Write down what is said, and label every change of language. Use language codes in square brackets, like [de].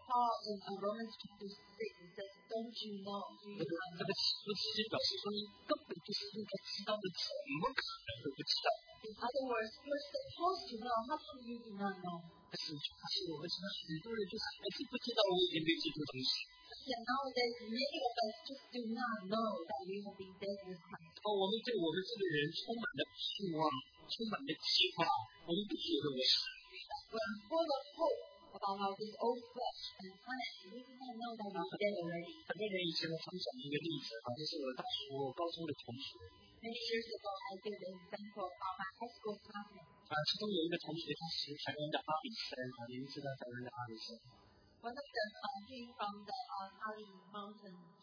[en] Paul in Romans chapter 6 says, "Don't you know?" [zh] 这个意思表示说，你根本就是不知道的，怎么可能会不知道？ [en] In other words, you're supposed to know. How can you do not know? [zh] 但是，我们现在很多人就是还是不知道我已经被基督重生。 [en] And nowadays, many of us just do not know that we have been dead with Christ. [zh] 我们对我们这个人充满了希望，充满了计划，我们不觉得我们。 [en] We're full of hope about our this old flesh and planet. We do not know that we're dead already. [zh] 很多年以前，我分享一个例子，好像是我高中的同学。 [en] Many years ago, I gave the example of my high school classmate. [zh] 其中有一个同学，他是台湾的阿里山，您知道台湾的阿里山。 [en] One of them came from the Ali Mountain.